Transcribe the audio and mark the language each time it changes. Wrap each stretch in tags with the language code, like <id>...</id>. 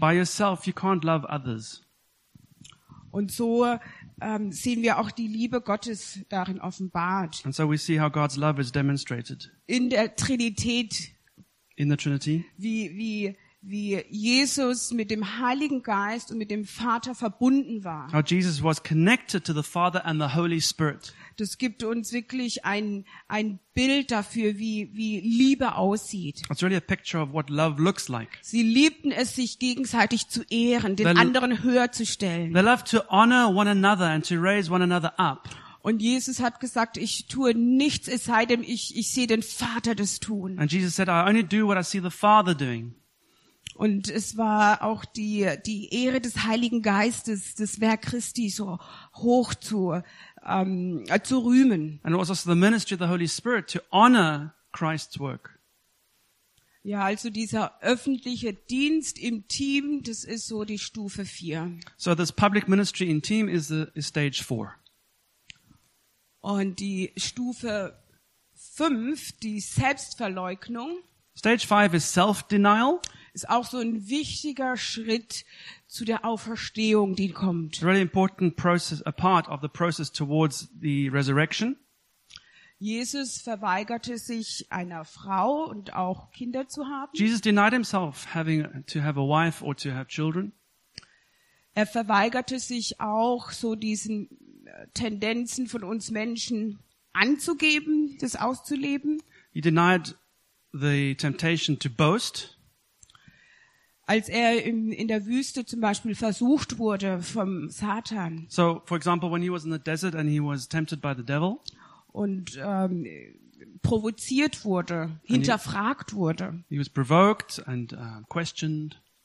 <en>By yourself you can't love others.</en> <de>Und so sehen wir auch die Liebe Gottes darin offenbart.</de> <en>And so we see how God's love is demonstrated.</en> <de>In der Trinität.</de> <en>In the Trinity.</en> <de>Wie wie Jesus mit dem Heiligen Geist und mit dem Vater verbunden war.</de> <en>How Jesus was connected to the Father and the Holy Spirit.</en> <de>Das gibt uns wirklich ein Bild dafür, wie Liebe aussieht.</de> <en>It's really a picture of what love looks like.</en> <de>Sie liebten es, sich gegenseitig zu ehren, den anderen höher zu stellen.</de> <en>They loved to honor one another and to raise one another up.</en> <de>Und Jesus hat gesagt, ich tue nichts, es sei denn, ich sehe den Vater das tun.</de> <en>And Jesus said, I only do what I see the Father doing.</en> <de>Und es war auch die Ehre des Heiligen Geistes, das Werk Christi so hoch zu rühmen.</de> <en>And it was also the ministry of the Holy Spirit to honor Christ's work.</en> <de>Ja, also dieser öffentliche Dienst im Team, das ist so die Stufe 4.</de> <en>So this public ministry in team is stage 4.</en> <de>Und die Stufe 5, die Selbstverleugnung.</de> <en>Stage 5 is self-denial.</en> <de>Ist auch so ein wichtiger Schritt zu der Auferstehung, die kommt.</de> <en>Really important process, a part of the process towards the resurrection.</en> <de>Jesus verweigerte sich einer Frau und auch Kinder zu haben.</de> <en>Jesus denied himself having to have a wife or to have children.</en> <de>Er verweigerte sich auch so diesen Tendenzen von uns Menschen anzugeben, das auszuleben.</de> <en>He denied the temptation to boast.</en> <de>Als er in der Wüste zum Beispiel versucht wurde vom Satan.</de> <en>So, for example, when he was in the desert and he was tempted by the devil.</en> <de>Und provoziert wurde, hinterfragt wurde.</de> <en>He was provoked and questioned.</en>